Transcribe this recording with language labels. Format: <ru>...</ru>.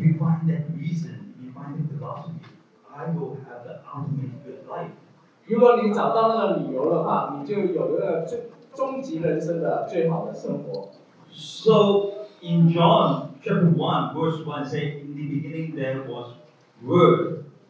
<en>you find that reason, you find the philosophy, I will have the ultimate good life.</en> <zh>如果你找到那个理由的话，你就有一个最终极人生的最好的生活。</zh> <en>So in John chapter 1, verse 1 says, in the beginning there was word.</en>